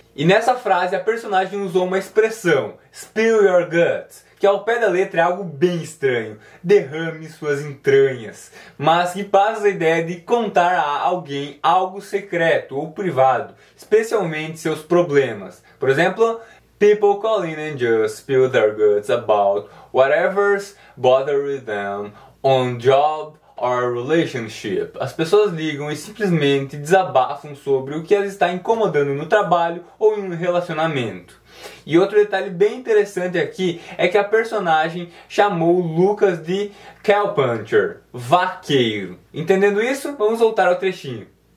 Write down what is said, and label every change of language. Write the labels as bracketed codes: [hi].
[pt] E nessa frase a personagem usou uma expressão, spill your guts, que ao pé da letra é algo bem estranho, derrame suas entranhas, mas que passa a ideia de contar a alguém algo secreto ou privado, especialmente seus problemas. Por exemplo, [en] people call in and just spill their guts about whatever's bothering them on job or relationship. [pt] As pessoas ligam e simplesmente desabafam sobre o que as está incomodando no trabalho ou em um relacionamento. E outro detalhe bem interessante aqui é que a personagem chamou o Lucas de cowpuncher, vaqueiro. Entendendo isso, vamos voltar ao trechinho.